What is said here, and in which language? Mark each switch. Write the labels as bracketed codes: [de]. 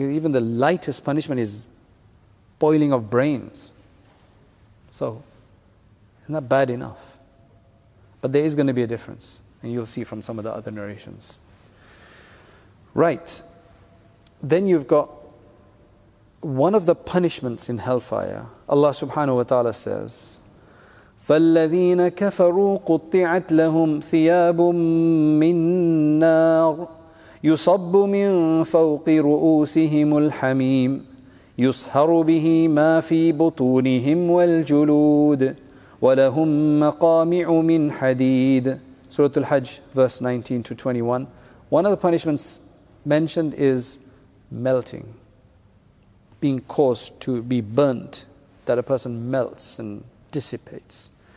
[en] Even the lightest punishment is boiling of brains. So, isn't that bad enough? But there is going to be a difference, and you'll see from some of the other narrations. Right. Then you've got one of the punishments in hellfire. Allah subhanahu wa ta'ala says, [ar] فَالَّذِينَ كَفَرُوا قُطِّعَتْ لَهُمْ ثِيَابٌ مِّن نَارٍ يُصَبُّ مِن فَوْقِ رُؤُوسِهِمُ الْحَمِيمُ يُصْهَرُ بِهِ مَا فِي بُطُونِهِمْ وَالْجُلُودُ وَلَهُمْ مَقَامِعُ مِنْ حَدِيدٍ. [en] Surah Al-Hajj, verse 19 to 21. One of the punishments mentioned is melting, being caused to be burnt, that a person melts and dissipates.